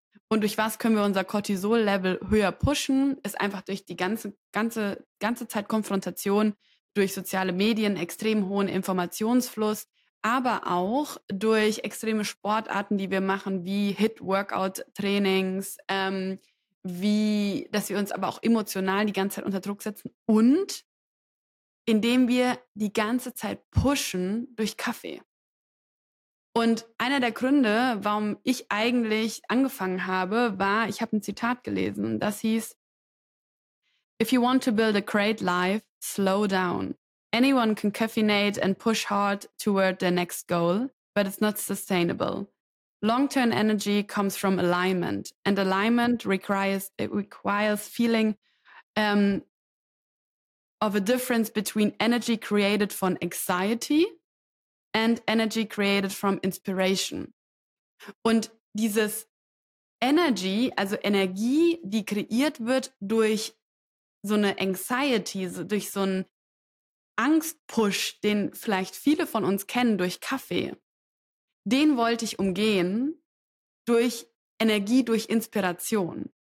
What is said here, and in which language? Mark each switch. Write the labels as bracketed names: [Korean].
[German] Und durch was können wir unser Cortisol-Level höher pushen? Ist einfach durch die ganze Zeit Konfrontation, durch soziale Medien, extrem hohen Informationsfluss, aber auch durch extreme Sportarten, die wir machen, wie HIIT-Workout-Trainings, wie, dass wir uns aber auch emotional die ganze Zeit unter Druck setzen und indem wir die ganze Zeit pushen durch Kaffee. Und einer der Gründe, warum ich eigentlich angefangen habe, war, ich habe ein Zitat gelesen, das hieß, [English] "If you want to build a great life, slow down. Anyone can caffeinate and push hard toward their next goal, but it's not sustainable. Long-term energy comes from alignment, and alignment requires feeling of a difference between energy created from anxiety and energy created from inspiration." [German] Und dieses Energy, also Energie, die kreiert wird durch so eine Anxiety, durch so einen Angstpush, den vielleicht viele von uns kennen durch Kaffee, den wollte ich umgehen durch Energie, durch Inspiration.